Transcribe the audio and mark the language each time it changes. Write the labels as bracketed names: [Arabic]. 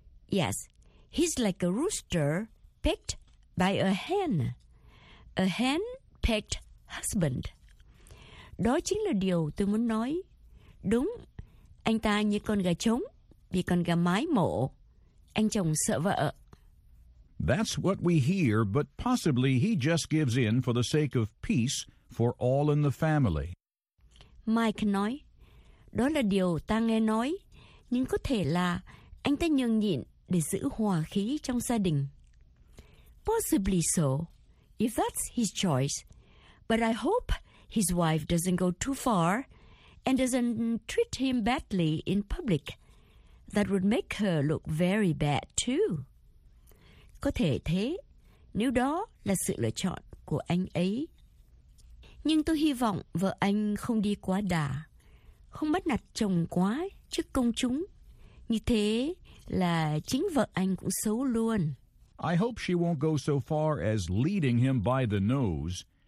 [English] Yes, he's like a rooster pecked by a hen. A henpecked husband. [Vietnamese] Đó chính là điều tôi muốn nói. Đúng, anh ta như con gà trống, bị con gà mái mổ. Anh chồng sợ vợ. [English] That's what we hear, but possibly he just gives in for the sake of peace for all in the family. [Vietnamese] Mike nói, đó là điều ta nghe nói, nhưng có thể là anh ta nhường nhịn để giữ hòa khí trong gia đình. [English] Possibly so, if that's his choice. But I hope his wife doesn't go too far and doesn't treat him badly in public. That would make her look very bad too. [Vietnamese] Có thể thế, nếu đó là sự lựa chọn của anh ấy. Nhưng tôi hy vọng vợ anh không đi quá đà, không bắt nạt chồng quá trước công chúng. Như thế là chính vợ anh cũng xấu luôn. [English] I hope she won't go so far as leading him by the nose.